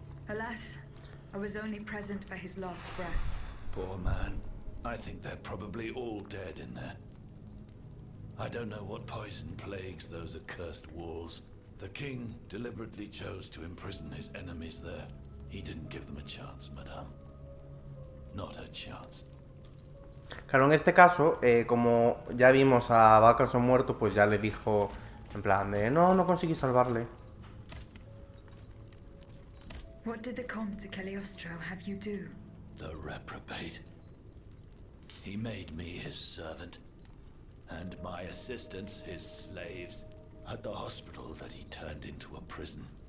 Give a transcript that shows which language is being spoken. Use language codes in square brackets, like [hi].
[en] Alas, I was only present for his last breath. Poor man. I think they're probably all dead in there. I don't know what poison plagues those accursed walls. The king deliberately chose to imprison his enemies there. He didn't give them a chance, madame. Not a chance. [es] Claro, en este caso, como ya vimos a Vaucanson muerto, pues ya le dijo en plan de no, no conseguí salvarle. [en] What did the Comte de Cagliostro have you do? The reprobate. He made me his servant. And my assistants, his slaves, at the hospital that he turned into a prison.